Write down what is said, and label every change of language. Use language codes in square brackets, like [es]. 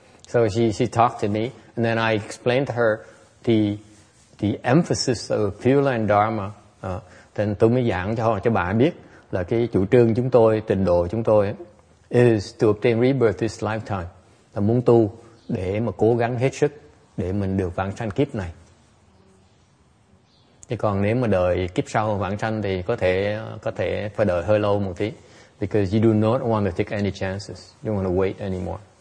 [en] So she talked to me and then I explained to her the emphasis of Pure Land Dharma. [vi] Then tôi mới giảng cho bà biết là cái chủ trương chúng tôi, tịnh độ chúng tôi [en] is to obtain rebirth this lifetime. [vi] Là muốn tu để mà cố gắng hết sức để mình được vãng sanh kiếp này. Thế còn nếu mà đợi kiếp sau vãng sanh thì có thể phải đợi hơi lâu một tí. [en] Because you do not want to take any chances. You don't want to wait anymore.